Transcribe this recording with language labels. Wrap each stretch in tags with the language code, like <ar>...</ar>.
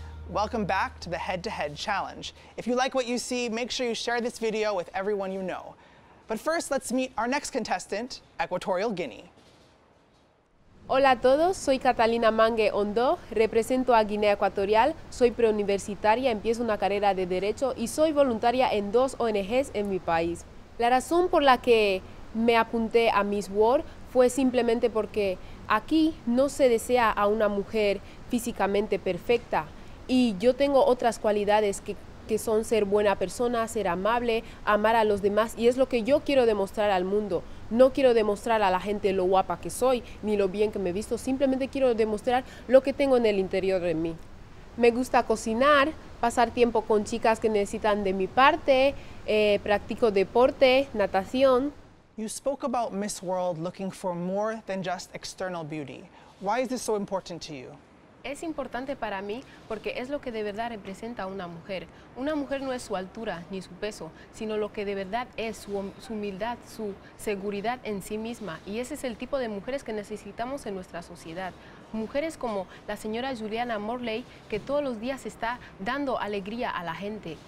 <es>Welcome back to the Head-to-Head Challenge. If you like what you see, make sure you share this video with everyone you know. But first, let's meet our next contestant, Equatorial Guinea. Hola a todos, soy Catalina Mange Ondo, represento a Guinea Ecuatorial, soy preuniversitaria, empiezo una carrera de Derecho y soy voluntaria en dos ONGs en mi país. La razón por la que me apunté a Miss World fue simplemente porque aquí no se desea a una mujer físicamente perfecta y yo tengo otras cualidades que son ser buena persona, ser amable, amar a los demás y es lo que yo quiero demostrar al mundo. No quiero demostrar a la gente lo guapa que soy ni lo bien que me visto, simplemente quiero demostrar lo que tengo en el interior de mí. Me gusta cocinar, pasar tiempo con chicas que necesitan de mi parte, practico deporte, natación.</es> <en>You spoke about Miss World looking for more than just external beauty. Why is this so important to you?</en> <es>Es importante para mí porque es lo que de verdad representa a una mujer. Una mujer no es su altura ni su peso, sino lo que de verdad es su humildad, su seguridad en sí misma. Y ese es el tipo de mujeres que necesitamos en nuestra sociedad. Mujeres como la señora Juliana Morley, que todos los días está dando alegría a la gente.</es>